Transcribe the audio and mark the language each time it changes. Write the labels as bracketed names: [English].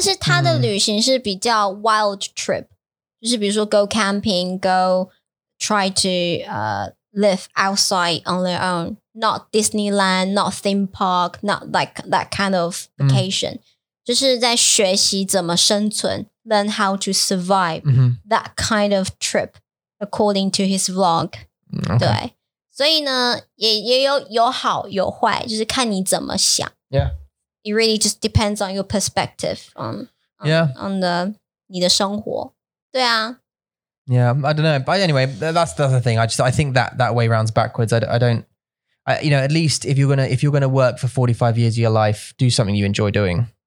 [Chinese] 但是他的旅行是比较 [English] wild trip, [Chinese] 就是比如说 [English] go camping, go try to live outside on their own, not Disneyland, not theme park, not like that kind of vacation. [Chinese] 就是在学习怎么生存, [English] learn how to survive, that kind of trip, according to his vlog. Okay. [Chinese] 所以呢,也有好有坏, 就是看你怎么想。 [English] Yeah. It really just depends on your perspective on the [Chinese] 你的生活. 对啊。 [English] Yeah, I don't know. But anyway, that's the other thing. I think that way rounds backwards. I don't, at least if you're going to work for 45 years of your life, do something you enjoy doing.